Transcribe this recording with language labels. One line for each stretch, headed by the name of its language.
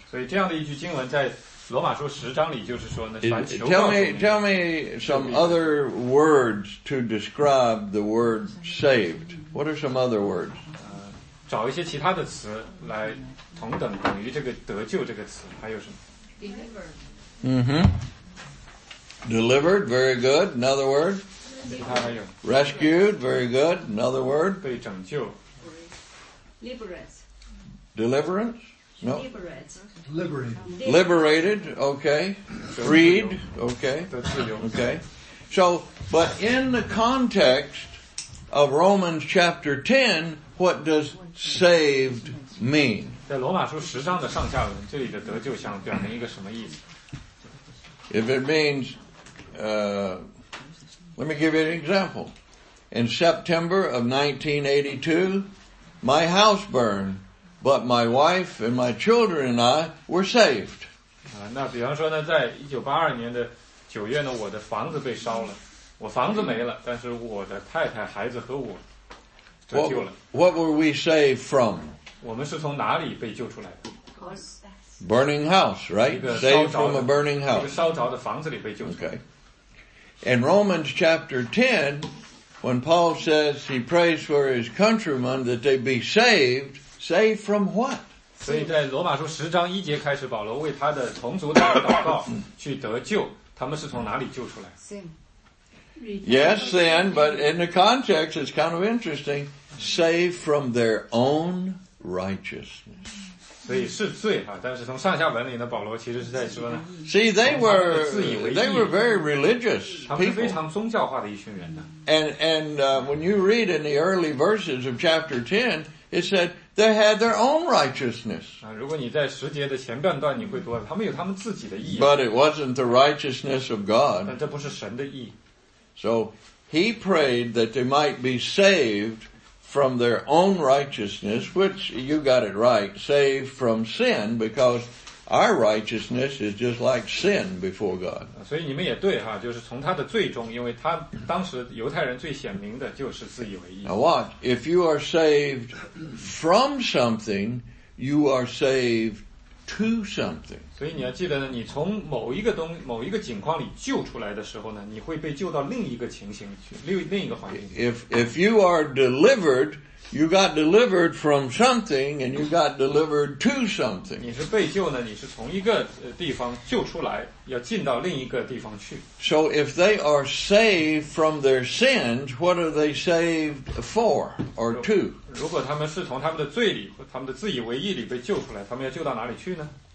Chinese: 所以这样的一句经文在罗马书十章里就是说呢，凡求告主名。
English: Tell me some other words to describe the word saved. What are some other words?
Chinese: 找一些其他的词来同等等于这个得救这个词，还有什么？
English: Delivered. 嗯哼。Delivered, very good. Another word.
Chinese: 其他还有。
English: Rescued, very good. Another word.
Chinese: 被拯救。
English: Liberate. Deliverance? No. Liberate. Liberated, okay. Freed, okay. Okay. So, but in the context of Romans chapter 10, what does saved mean?
Chinese: 在罗马书十章的上下文，这里的得救想表明一个什么意思？
English: If it means, let me give you an example. In September of 1982, my house burned, but my wife and my children and I were saved.
Chinese: 那比方说呢，在1982年的九月呢，我的房子被烧了，我房子没了，但是我的太太、孩子和我得救了。
English: What were we saved from?
Chinese: 我们是从哪里被救出来的？
English: Burning house, right? Saved from a burning house.
Chinese: 一个烧着的房子里被救出来。
English: Okay. In Romans chapter 10, when Paul says he prays for his countrymen that they be saved, saved from what?
Chinese: 所以在罗马书十章一节开始，保罗为他的同族的祷告去得救。他们是从哪里救出来？
English: Sin. Yes, sin, but in the context, it's kind of interesting. Saved from their own righteousness.
Chinese: 所以是罪啊，但是从上下文里呢，保罗其实是在说呢。
English: See, they were very religious people.
Chinese: 他们是非常宗教化的一群人呢。
English: And when you read in the early verses of chapter 10, it said they had their own righteousness.
Chinese: 如果你在十节的前半段，你会读，他们有他们自己的义。
English: But it wasn't the righteousness of God.
Chinese: 但这不是神的义。
English: So he prayed that they might be saved from their own righteousness, which you got it right, saved from sin, because our righteousness is just like sin before God.
Chinese: 所以你们也对哈，就是从他的罪中，因为他当时犹太人最显明的就是自以为义。
English: Now watch, if you are saved from something, you are saved to something.
Chinese: 所以你要记得呢，你从某一个东某一个境况里救出来的时候呢，你会被救到另一个情形去，另一个环境。
English: If you are delivered, you got delivered from something and you got delivered to something.
Chinese: 你是被救呢，你是从一个地方救出来，要进到另一个地方去。
English: So if they are saved from their sins, what are they saved for or to?
Chinese: 如果他们是从他们的罪里或他们的自以为义里被救出来，他们要救到哪里去呢？